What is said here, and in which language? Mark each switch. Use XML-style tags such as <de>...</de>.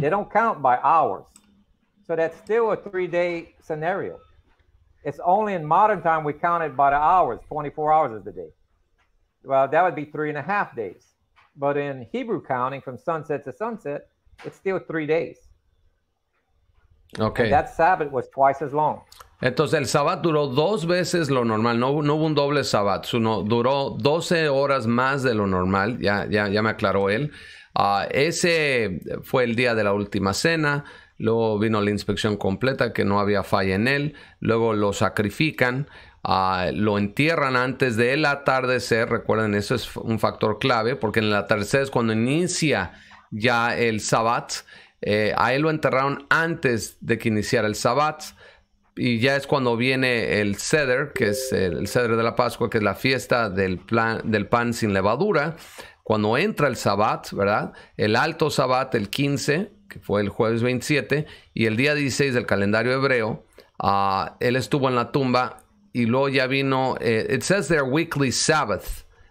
<en>They don't count by hours, so that's still a 3-day scenario. It's only in modern time we count it by the hours. 24 hours of the day. Well, that would be 3.5 days. But in Hebrew counting, from sunset to sunset, it's still 3 days. Okay. And that Sabbath was twice as long.</en> <es>Entonces, el Sabbat duró dos veces lo normal. No hubo un doble Sabbat. Uno duró 12 horas más de lo normal. Ya me aclaró él. Ese fue el día de la última cena. Luego vino la inspección completa, que no había falla en él. Luego lo sacrifican. Lo entierran antes del atardecer. Recuerden, eso es un factor clave, porque en el atardecer es cuando inicia ya el Sabbat. A él lo enterraron antes de que iniciara el Sabbat, y ya es cuando viene el Seder, que es el Seder de la Pascua, que es la fiesta del pan sin levadura. Cuando entra el Sabbat, ¿verdad? El alto Sabbat, el 15, que fue el jueves 27, y el día 16 del calendario hebreo, él estuvo en la tumba. Y luego ya vino,</es> <en>it says their weekly Sabbath.</en>